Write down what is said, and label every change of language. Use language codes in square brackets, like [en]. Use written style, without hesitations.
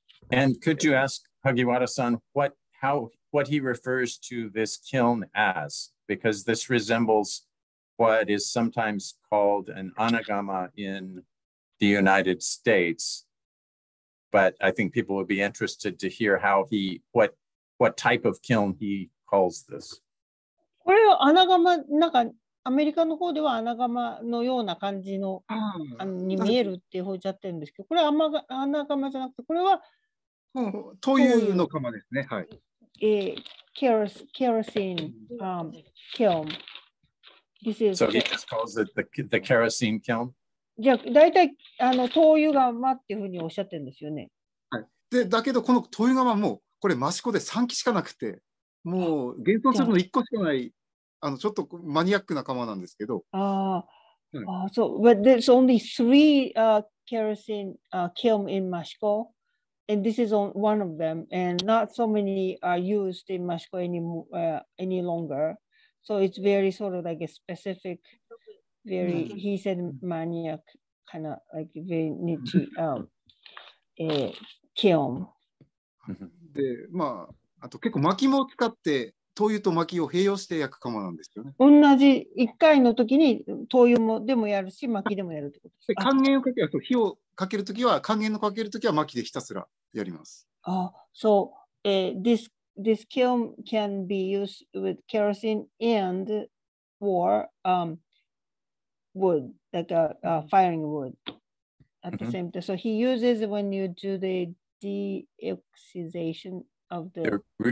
[en] And could you ask Hagiwara-san what he refers to this kiln as? Because this resembles what is sometimes called an anagama in the United States. But I think people would be interested to hear how he, what type of kiln he calls this. [ja] これは穴窯、なんかアメリカの方では穴窯のような感じの、あのに見えるって言っちゃってるんですけど、これはあんま穴窯じゃなくて、これは、灯油の窯ですね。はい。 [en] Kerosene kiln. This is. So he just calls it the kerosene kiln. [ja] じゃあだいたいあの灯油釜っていうふうにおっしゃってるんですよね。はい。でだけどこの灯油釜もこれマシコで3基しかなくて、もう現存するの1個しかない、あのちょっとマニアックな窯なんですけど。ああ、そう、 [en] but there's only three kerosene kiln in Mashiko, and this is on one of them, and not so many are used in Mashiko any longer. So it's very sort of like a specific, very, he said, maniac, kind of like very niche kiln. [ja] で、まあ、あと結構薪も使って、灯油と薪を併用して焼く窯なんですよね。同じ1回の時に灯油もでもやるし、薪でもやるってことですか？還元をかけると、火をかけるときは、還元をかけるときは薪でひたすらやります。あ、そう、 [en] This kiln can be used with kerosene and or wood, like a firing wood at the same time. So he uses when you do the deoxidation of the